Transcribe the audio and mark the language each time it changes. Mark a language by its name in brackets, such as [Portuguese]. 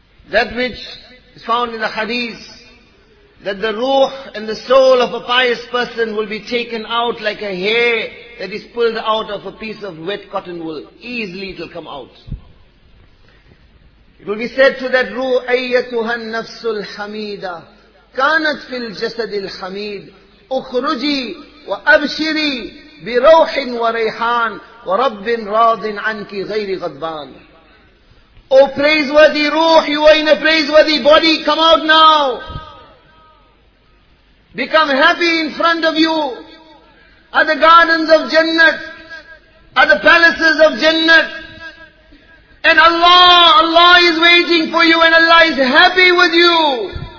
[English] That which is found in the hadith, that the ruh and the soul of a pious person will be taken out like a hair that is pulled out of a piece of wet cotton wool. Easily it will come out. It will be said to that ruh, [Arabic] أَيَّتُهَا النَّفْسُ الْحَمِيدَةُ كَانَتْ فِي الْجَسَدِ الْحَمِيدِ اُخْرُجِي وَأَبْشِرِي بِرَوْحٍ وَرَيْحَانِ وَرَبٍ رَاضٍ عَنْكِ غَيْرِ غَضْبَانِ. [English] O praiseworthy ruh, you are in a praiseworthy body, come out now. Become happy in front of you. Are the gardens of Jannat, are the palaces of Jannat. And Allah, Allah is waiting for you and Allah is happy with you.